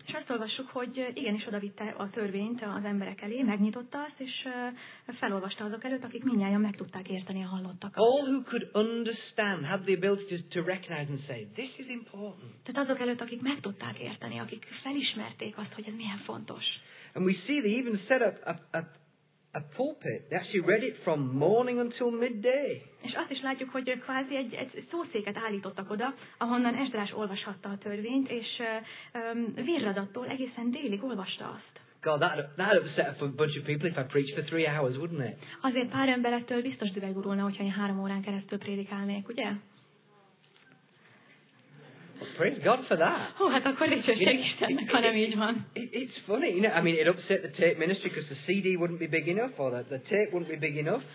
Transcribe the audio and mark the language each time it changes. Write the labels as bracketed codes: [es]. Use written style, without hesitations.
[hu] És azt olvassuk, hogy igenis odavitte a törvényt az emberek elé, megnyitotta azt, és felolvasta azok előtt, akik mindnyájan meg tudták érteni a hallottakat. [en] All who could understand had the ability to recognize and say, this is important. [hu] Tehát azok előtt, akik meg tudták érteni, akik felismerték azt, hogy ez milyen fontos. [en] And we see they even set up a pulpit. They actually read it from morning until midday. [hu] És azt is látjuk, hogy kvázi egy szószéket állítottak oda, ahonnan Esdrás olvashatta a törvényt, és virradattól egészen délig olvasta azt. [en] God, that'd upset a bunch of people if I preached for 3 hours, wouldn't it? [hu] Azért pár emberettől biztos düvegurulna, hogyha én 3 órán keresztül prédikálnék, ugye? [en] Praise God for that. [hu] Hú, hát akkor dicsőség Istennek, ha nem így van. [en] It's funny, you know, I mean, it upset the tape ministry because the CD wouldn't be big enough, or the tape wouldn't be big enough.